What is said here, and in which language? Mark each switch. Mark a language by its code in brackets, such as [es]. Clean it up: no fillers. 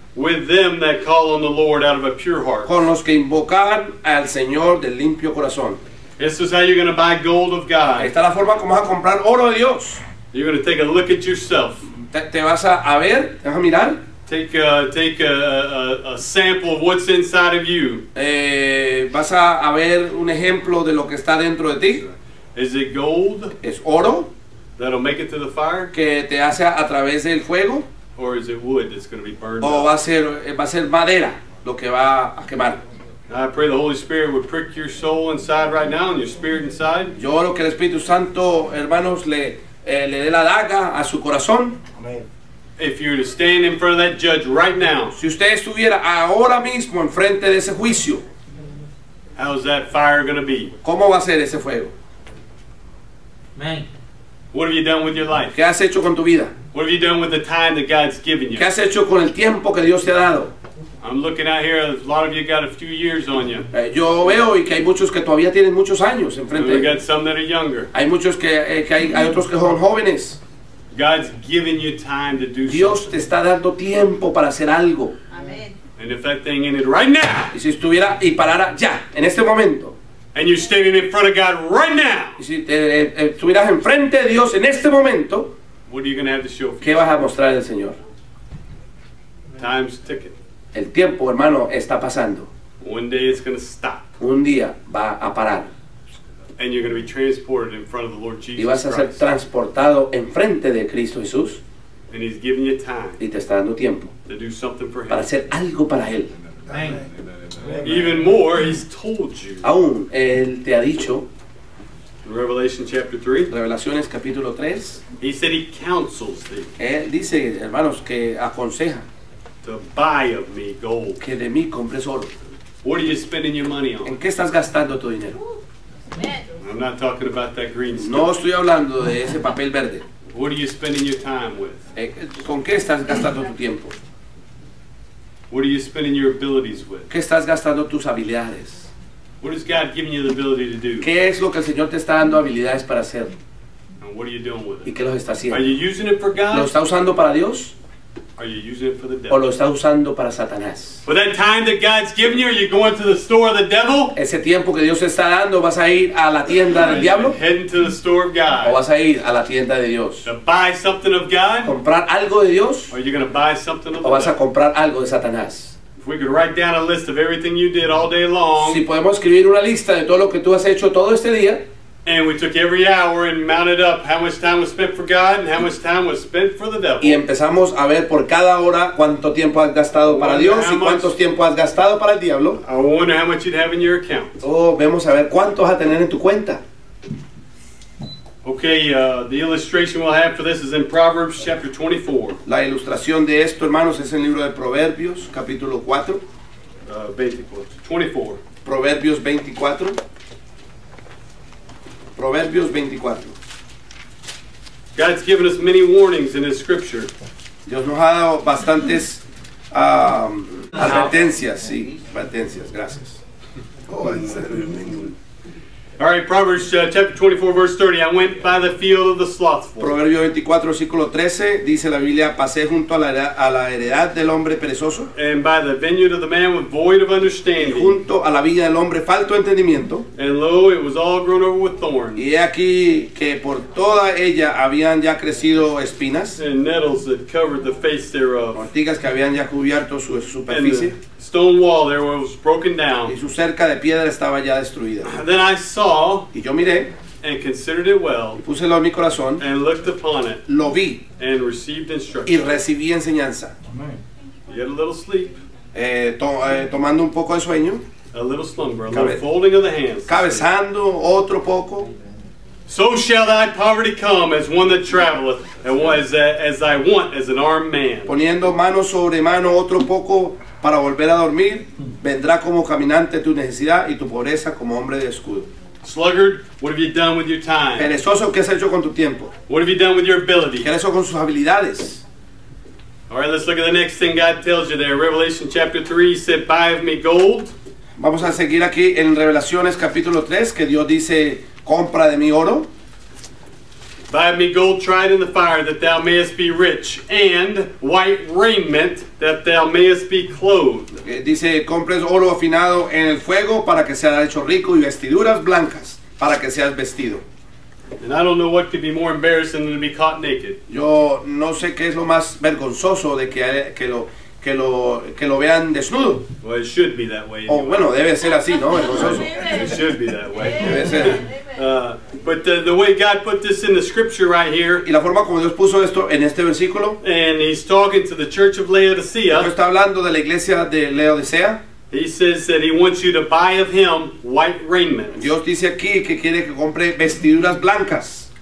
[en] With them that call on the Lord out of a pure heart. [es] Con los que invocan al Señor del limpio corazón. [en] This is how you're going to buy gold of God. [es] Esta es la forma como vas a comprar oro de Dios. [en] You're going to take a look at yourself. [es] Te vas a ver, te vas a mirar. [en] Take a sample of what's inside of you. [es] Vas a ver un ejemplo de lo que está dentro de ti. [en] Is it gold? [es] ¿Es oro? [en] that'll make it to the fire? [es] Que te hace a través del fuego. [en] Or is it wood that's going to be burned? [es] O va a ser madera lo que va a quemar. [en] I pray the Holy Spirit would prick your soul inside right now and your spirit inside. [es] Yo oro que el Espíritu Santo, hermanos, le dé la daga a su corazón. [en] Amen. If you were to stand in front of that judge right now. [es] Si usted estuviera ahora mismo enfrente de ese juicio. [en] How's that fire going to be? [es] ¿Cómo va a ser ese fuego? [en] Man. What have you done with your life? [es] ¿Qué has hecho con tu vida? [en] What have you done with the time that God's given you? [es] ¿Qué has hecho con el tiempo que Dios te ha dado? [en] I'm looking out here, a lot of you got a few years on you. [es] Yo veo y que hay muchos que todavía tienen muchos años enfrente. [en] We got some that are younger. [es] Hay muchos que hay otros que son jóvenes. [en] God's giving you time to do something. [es] Dios te está dando tiempo para hacer algo. [en] Amen. And if that thing ended right now. [es] Y si estuviera y parara ya, en este momento. [en] And you're standing in front of God right now. [es] Y si estuvieras enfrente de Dios en este momento. [en] What are you going to have to show for? [es] ¿Qué vas a mostrar al Señor? [en] Time's ticking. [es] El tiempo, hermano, está pasando. [en] One day it's going to stop. [es] Un día va a parar. [en] And you're going to be transported in front of the Lord Jesus Christ. [es] Y vas a ser transportado enfrente de Cristo Jesús. [en] And he's giving you time. [es] Y te está dando tiempo. [en] To do something for him. [es] Para hacer algo para él. [en] Amen. Even more, he's told you. [es] Aún él te ha dicho. [en] Revelation chapter 3. [es] Revelaciones capítulo 3. [en] He said he counsels thee. [es] Él dice, hermanos, que aconseja. [en] To buy of me gold. [es] Que de mí compres oro. [en] What are you spending your money on? [es] ¿En qué estás gastando tu dinero? [en] I'm not talking about that green stuff. [es] No estoy hablando de ese papel verde. [en] What are you spending your time with? [es] ¿Con qué estás gastando tu tiempo? [en] What are you spending your abilities with? [es] ¿Qué estás gastando tus habilidades? [en] What is God giving you the ability to do? [es] ¿Qué es lo que el Señor te está dando habilidades para hacer? [en] And what are you doing with it? [es] ¿Y qué los está haciendo? [en] Are you using it for God? [es] ¿Lo está usando para Dios? [en] Are you using it for the devil? [es] ¿O lo está usando para Satanás? [en] For that time that God's giving you, are you going to the store of the devil? [es] Ese tiempo que Dios está dando, ¿vas a ir a la tienda del diablo? [en] Heading to the store of God. [es] ¿O vas a ir a la tienda de Dios? [en] To buy something of God. [es] ¿Comprar algo de Dios? [en] Or are you going to buy something of [es] God? ¿O vas a comprar algo de Satanás? [en] If we could write down a list of everything you did all day long. [es] Si podemos escribir una lista de todo lo que tú has hecho todo este día. [en] And we took every hour and mounted up how much time was spent for God and how much time was spent for the devil. [es] Y empezamos a ver por cada hora cuánto tiempo has gastado para Dios y cuánto tiempo has gastado para el diablo. [en] I wonder how much you'd have in your account. [es] Oh, vemos a ver cuánto vas a tener en tu cuenta. [en] Okay, the illustration we'll have for this is in Proverbs chapter 24. [es] La ilustración de esto, hermanos, es en el libro de Proverbios, capítulo 4. [en] 24. [es] Proverbios 24. Proverbios 24. [en] God's given us many warnings in his scripture. [es] Dios nos ha dado bastantes advertencias, sí, advertencias, gracias. [en] All right, Proverbs chapter 24 verse 30. I went by the field of the slothful. [es] Proverbios 24 versículo 13 dice la Biblia, pasé junto a la heredad del hombre perezoso. [en] And by the vineyard of the man with void of understanding. [es] Y junto a la viña del hombre falto de entendimiento. [en] And lo, it was all grown over with thorns. [es] Y aquí que por toda ella habían ya crecido espinas. [en] And nettles that covered the face thereof. [es] Ortigas que habían ya cubierto su superficie. [en] Stone wall there was broken down. [es] Y su cerca de piedra estaba ya destruida. [en] Then I saw. [es] Y yo miré. [en] And considered it well. [es] Y púselo en mi corazón. [en] And looked upon it. [es] Lo vi. [en] And received instruction. [es] Y recibí enseñanza. [en] Amen. Yet a little sleep. [es] Tomando un poco de sueño. [en] A little slumber. A little folding of the hands. [es] Cabezando otro poco. [en] So shall thy poverty come as one that traveleth, and as thy want as an armed man. [es] Poniendo mano sobre mano otro poco. Para volver a dormir, vendrá como caminante tu necesidad y tu pobreza como hombre de escudo. [en] Sluggard, what have you done with your time? [es] Perezoso, ¿qué has hecho con tu tiempo? [en] What have you done with your ability? [es] ¿Qué has hecho con sus habilidades? [en] All right, let's look at the next thing God tells you there. Revelation chapter 3, he said, buy of me gold. [es] Vamos a seguir aquí en Revelaciones capítulo 3, que Dios dice, compra de mi oro. [en] Buy me gold tried in the fire that thou mayest be rich, and white raiment that thou mayest be clothed. [es] Dice, compres oro afinado en el fuego para que seas hecho rico y vestiduras blancas para que seas vestido. [en] And I don't know what could be more embarrassing than to be caught naked. [es] Yo no sé qué es lo más vergonzoso de que lo que lo vean desnudo. [en] Well, it should be that way. [es] Anyway. Oh, bueno, debe ser así, ¿no? [en] It should be that way. [es] Debe ser. [en] But the way God put this in the scripture right here. [es] Y la forma como Dios puso esto en este versículo. [en] And he's talking to the church of Laodicea. [es] Él está hablando de la iglesia de Laodicea. [en] He says that he wants you to buy of him white raiment. [es] Dios dice aquí que quiere que compre vestiduras blancas.